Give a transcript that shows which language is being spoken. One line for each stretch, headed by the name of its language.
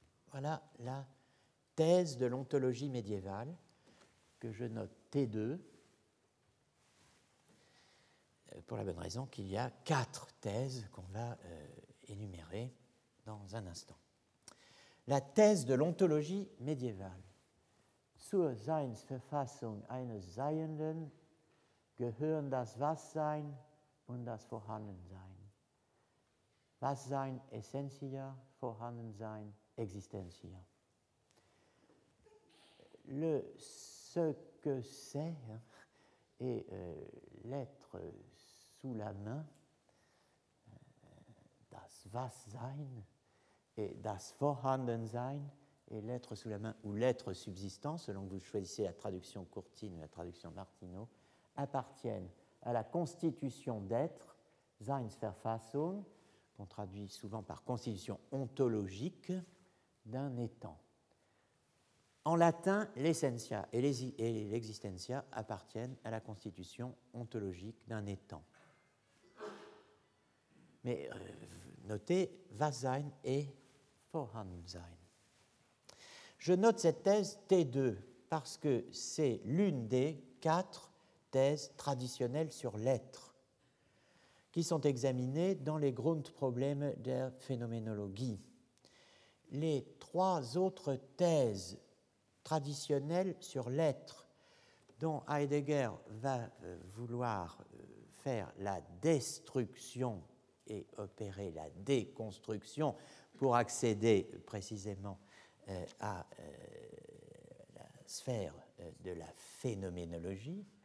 French: Voilà la thèse de l'ontologie médiévale, que je note T2, pour la bonne raison qu'il y a quatre thèses qu'on va énumérer dans un instant. La thèse de l'ontologie médiévale.
German: Zur Seinsverfassung eines Seienden gehören das Was-Sein und das Vorhandensein. Was-Sein essentia, Vorhandensein existentia.
French: Le ce que c'est hein, et l'être sous la main, das Was-Sein et das Vorhandensein, et l'être sous la main ou l'être subsistant, selon que vous choisissez la traduction Courtine ou la traduction Martineau, appartiennent à la constitution d'être, Seinsverfassung, qu'on traduit souvent par constitution ontologique, d'un étant. En latin, l'essentia et l'existentia appartiennent à la constitution ontologique d'un étant. Mais notez, was sein et vorhanden sein. Je note cette thèse T2 parce que c'est l'une des quatre thèse traditionnelle sur l'être, qui sont examinées dans les Grundprobleme der Phänomenologie. Les trois autres thèses traditionnelles sur l'être, dont Heidegger va vouloir faire la destruction et opérer la déconstruction pour accéder précisément à la sphère de la phénoménologie.